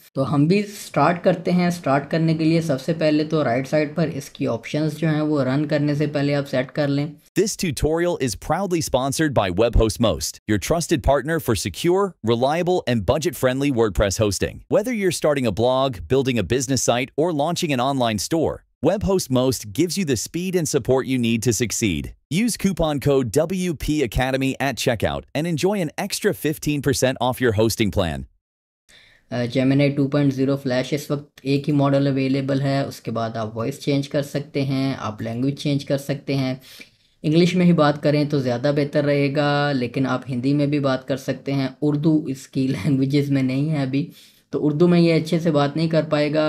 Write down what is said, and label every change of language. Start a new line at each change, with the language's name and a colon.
Hindi: तो हम भी स्टार्ट करते हैं। स्टार्ट करने के लिए सबसे पहले तो राइट साइड पर इसकी ऑप्शंस जो हैं वो रन करने से पहले आप सेट कर लें।
English: This tutorial is proudly sponsored by web host most, your trusted partner for secure, reliable and budget friendly WordPress hosting. Whether you are starting a blog, building a business site और launching an online store, Web Host Most gives you the speed and support you need to succeed. Use coupon code WPACADEMY at checkout and enjoy an extra 15% off your hosting plan.
Hindi: Gemini 2.0 Flash is वक्त एक ही model available है, उसके बाद आप voice change कर सकते हैं, आप language change कर सकते हैं। English में ही बात करें तो ज़्यादा बेहतर रहेगा, लेकिन आप हिंदी में भी बात कर सकते हैं। उर्दू इसकी languages में नहीं है अभी, तो उर्दू में ये अच्छे से बात नहीं कर पाएगा।